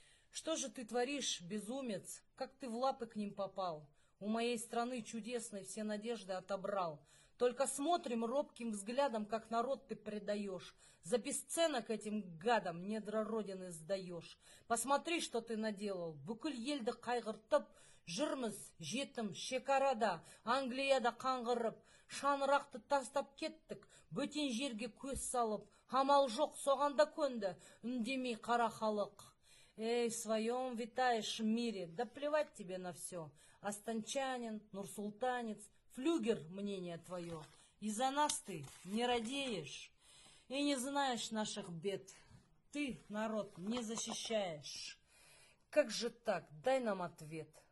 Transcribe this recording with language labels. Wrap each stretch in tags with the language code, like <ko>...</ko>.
<ru>Что же ты творишь, безумец? Как ты в лапы к ним попал? У моей страны чудесной все надежды отобрал. Только смотрим робким взглядом, как народ ты предаешь. За бесценок этим гадам недра родины сдаешь. Посмотри, что ты наделал.</ru> <kk>Бүкіл елді қайғыртып, жырмыз, жетім, шекарада, Англияда қаңғырып, шаңырақты тастап кеттік, бөтен жерге көз салып, амал жоқ соғанда көнді, үндемей қара халық.</kk> <ru>Эй, в своем витаешь мире, да плевать тебе на все. Астанчанин, нурсултанец, флюгер мнение твое. И за нас ты не радеешь и не знаешь наших бед. Ты народ не защищаешь. Как же так? Дай нам ответ.</ru>